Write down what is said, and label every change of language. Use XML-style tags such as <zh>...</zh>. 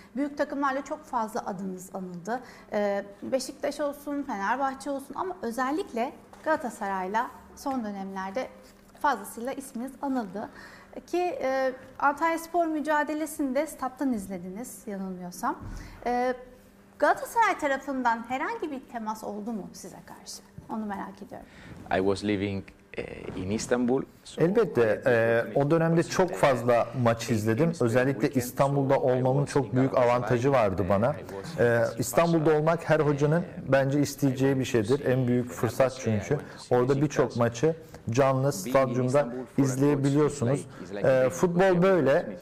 <tr>Büyük takımlarla çok fazla adınız anıldı. Beşiktaş olsun, Fenerbahçe olsun ama özellikle Galatasaray'la son dönemlerde fazlasıyla isminiz anıldı. Ki Antalyaspor mücadelesini de stat'tan izlediniz yanılmıyorsam. Galatasaray tarafından herhangi bir temas oldu mu size karşı? Onu merak ediyorum.</tr> <en>I was living in Istanbul.</en> <tr>Elbette o dönemde çok fazla maç izledim. Özellikle İstanbul'da olmamın çok büyük avantajı vardı bana. İstanbul'da olmak her hocanın bence isteyeceği bir şeydir. En büyük fırsat çünkü. Orada birçok maçı canlı stadyumda izleyebiliyorsunuz. Futbol böyle.</tr>